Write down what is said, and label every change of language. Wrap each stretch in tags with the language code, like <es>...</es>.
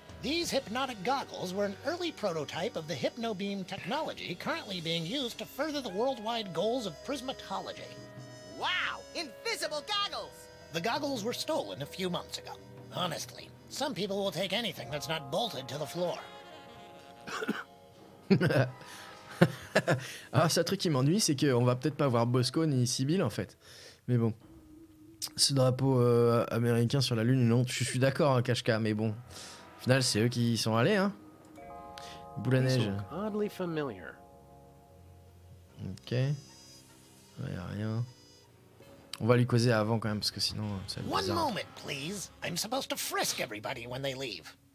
<en>These hypnotic goggles were an early prototype of the hypnobeam technology currently being used to further the worldwide goals of prismatology. Wow! Invisible goggles! The goggles were stolen a few months ago. Honestly, some people will take anything that's not bolted to the floor.</en> <fr>Alors, ce truc qui m'ennuie, c'est qu'on va peut-être pas voir Bosco ni Sibyl en fait. Mais bon. Ce drapeau américain sur la lune, non, je suis d'accord, Kashka, mais bon. Au final, c'est eux qui y sont allés, hein. Boule à neige.</fr> <en>Oddly familiar.</en> <fr>Ok. Ouais, y'a rien. On va lui causer avant quand même, parce que sinon, ça va être bizarre.</fr> <en>One moment, please. I'm supposed to frisk everybody when they leave.</en>